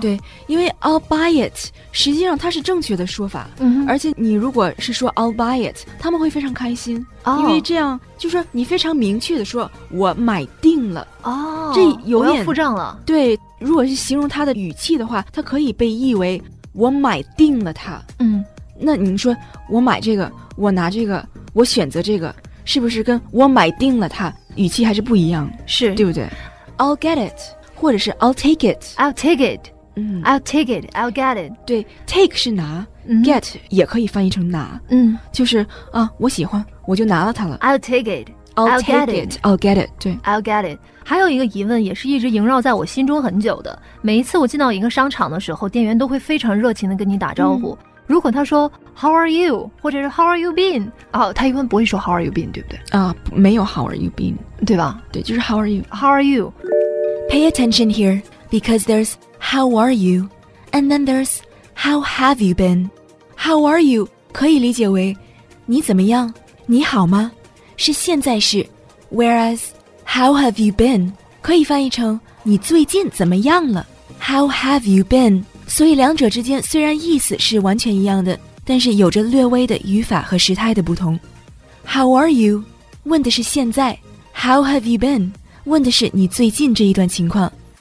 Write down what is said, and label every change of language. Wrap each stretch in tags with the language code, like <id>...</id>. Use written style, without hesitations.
<zh>对，因为</zh> <en>I'll buy it</en> <zh>实际上它是正确的说法、而且你如果是说 I'll buy it, 他们会非常开心、因为这样就是你非常明确的说我买定了、这有点我要付账了。对，如果是形容它的语气的话，它可以被译为我买定了它。那你说我买这个，我拿这个，我选择这个，是不是跟我买定了它语气还是不一样？是，对不对？</zh> <en>I'll get it</en> <zh>或者是</zh> <en>I'll take it, I'll take it、I'll take it, I'll get it.</en> <zh>对， take 是拿、get 也可以翻译成拿、就是啊，我喜欢我就拿了它了。</zh> <en>I'll take it, I'll take it, I'll get it.</en> <zh>对，</zh> <en>I'll get it.</en> <zh>还有一个疑问也是一直萦绕在我心中很久的，每一次我进到一个商场的时候，店员都会非常热情地跟你打招呼、如果他说</zh> <en>How are you?</en> <zh>或者是</zh> <en>How are you been?、</en> <zh>他一般不会说</zh> <en>How are you been,</en> <zh>对不对、没有</zh> <en>How are you been,</en> <zh>对吧？对，就是</zh> <en>How are you? How are you? Pay attention here, because there's How are you? And then there's How have you been? How are you?</en> <zh>可以理解为你怎么样？你好吗？是现在式。</zh> <en>Whereas, How have you been?</en> <zh>可以翻译成你最近怎么样了？</zh> <en>How have you been?</en> <zh>所以两者之间虽然意思是完全一样的，但是有着略微的语法和时态的不同。</zh> <en>How are you?</en> <zh>问的是现在。</zh> <en>How have you been?</en> <zh>问的是你最近这一段情况。</zh>